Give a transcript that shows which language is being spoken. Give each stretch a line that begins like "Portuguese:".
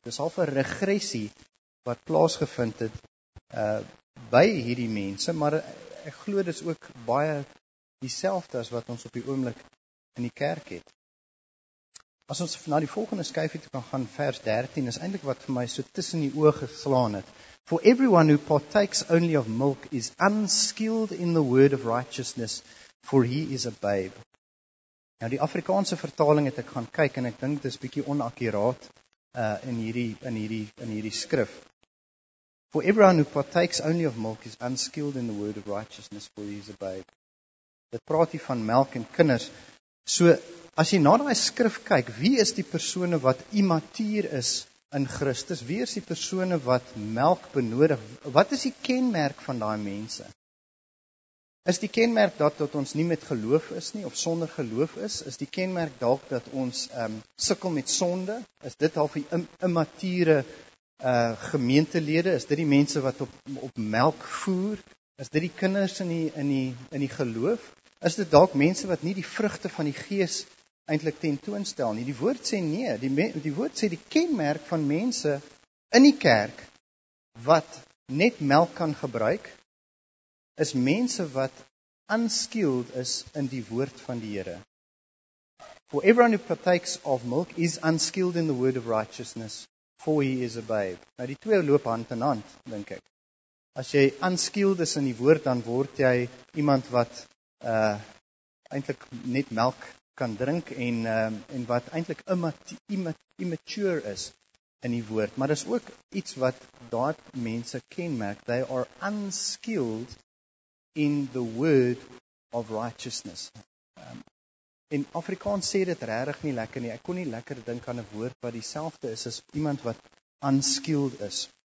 Afrikaans: Dis half 'n regressie wat plaasgevind het by hierdie mense, maar ek glo dit is ook baie dieselfde as wat ons op die oomblik in die kerk het. As ons na die volgende skyfie toe kan gaan, vers 13, is eintlik wat vir my so tussen die oë geslaan het.
English: For everyone who partakes only of milk is unskilled in the word of righteousness, for he is a babe.
Afrikaans: Nou die Afrikaanse vertaling het ek gaan kyk en ek dink dit is bietjie onakkuraat in hierdie skrif.
English: For everyone who partakes only of milk is unskilled in the word of righteousness, for he is a babe.
Afrikaans: Dit praat hier van melk en kinders. So as jy na daai skrif kyk, wie is die persone wat immatuur is in Christus? Wie is die persone wat melk benodig? Wat is die kenmerk van daai mense? Is die kenmerk dat ons nie met geloof is nie, of sonder geloof is? Is die kenmerk dalk dat ons sukkel met sonde? Is dit half die immature gemeentelede? Is dit die mense wat op melk voer? Is dit die kinders in die geloof? Is dit dalk mense wat nie die vrugte van die gees eintlik tentoonstel nie? Die woord sê nee, die woord sê die kenmerk van mense in die kerk wat net melk kan gebruik, is mense wat unskilled is in die woord van die Here.
English: For everyone who partakes of milk is unskilled in the word of righteousness, for he is a babe.
Afrikaans: Nou die twee loop hand in hand, dink ek. As jy unskilled is in die woord, dan word jy iemand wat eintlik net melk kan drink en wat eintlik immature is in die woord. Maar dis ook iets wat daai mense kenmerk.
English: They are unskilled in the word of righteousness.
Afrikaans: In Afrikaans sê dit regtig nie lekker nie. Ek kon nie lekker dink aan 'n woord wat dieselfde is as iemand wat unskilled is.